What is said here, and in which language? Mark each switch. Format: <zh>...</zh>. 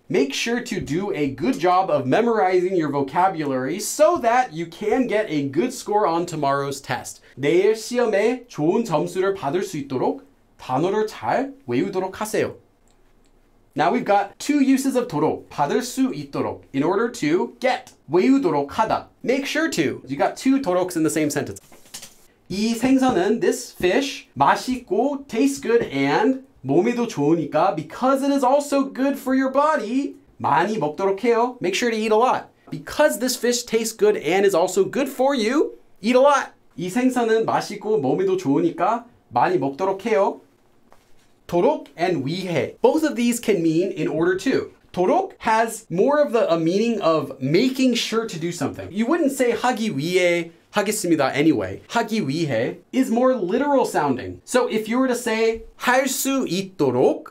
<en>Make sure to do a good job of memorizing your vocabulary so that you can get a good score on tomorrow's test.</en> <ko>내일 시험에 좋은 점수를 받을 수 있도록 단어를 잘 외우도록 하세요.</ko> <en>Now we've got two uses of 도록.</en> <ko>받을 수 있도록.</ko> <en>In order to get.</en> <ko>외우도록 하다.</ko> <en>Make sure to. You got two 도록s in the same sentence.</en> <ko>이 생선은,</ko> <en>this fish,</en> <ko>맛있고,</ko> <en>tastes good, and</en> <ko>몸에도 좋으니까,</ko> <en>because it is also good for your body,</en> <ko>많이 먹도록 해요.</ko> <en>Make sure to eat a lot. Because this fish tastes good and is also good for you, eat a lot.</en> <ko>이 생선은 맛있고, 몸에도 좋으니까, 많이 먹도록 해요.</ko> <en>도록 and 위해. Both of these can mean in order to. 도록 has more of a meaning of making sure to do something. You wouldn't say</en> <ko>하기 위해 하겠습니다</ko> <en>anyway. 하기 위해 is more literal sounding. So if you were to say 할 수 있도록,</en>